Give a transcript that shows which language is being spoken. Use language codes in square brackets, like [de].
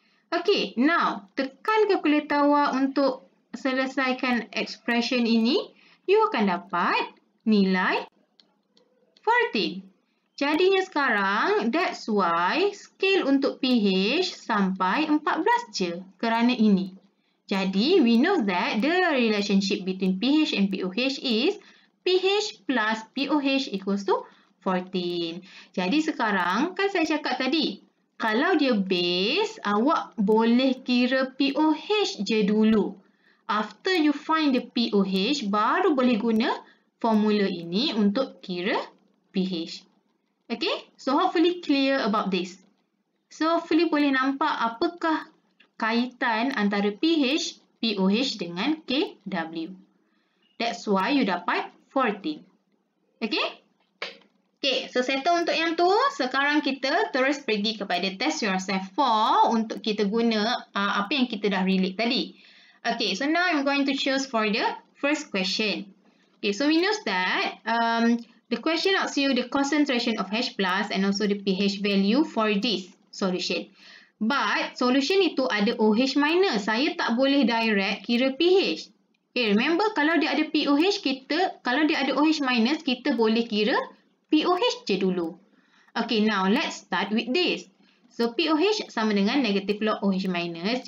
[ms] Okay, now tekan calculator awak untuk selesaikan expression ini. You akan dapat nilai 14. Jadinya sekarang, [en] that's why [ms] scale untuk pH sampai 14 je kerana ini. [en] Jadi, we know that the relationship between pH and pOH is pH plus pOH equals to 14. [ms] Jadi, sekarang kan saya cakap tadi, kalau dia base, awak boleh kira pOH je dulu. [en] After you find the pOH, [ms] baru boleh guna formula ini untuk kira pH. [en] Okay, so hopefully clear about this. So hopefully [ms] boleh nampak apakah kaitan antara pH, pOH dengan KW. [en] That's why you [ms] dapat 14. [en] Okay? Okay, so settle [ms] untuk yang tu. Sekarang kita terus pergi kepada test yourself 4 untuk kita guna apa yang kita dah relate tadi. [en] Okay, so now I'm going to choose for the first question. Okay, so we know that the question asks you the concentration of H plus and also the pH value for this solution. [ms] But, solution itu ada OH minus. Saya tak boleh direct kira pH. Okay, remember, kalau dia ada pOH, kalau dia ada OH minus, kita boleh kira pOH je dulu. [en] Okay, now let's start with this. So, pOH [ms] sama dengan [en] negative log OH minus.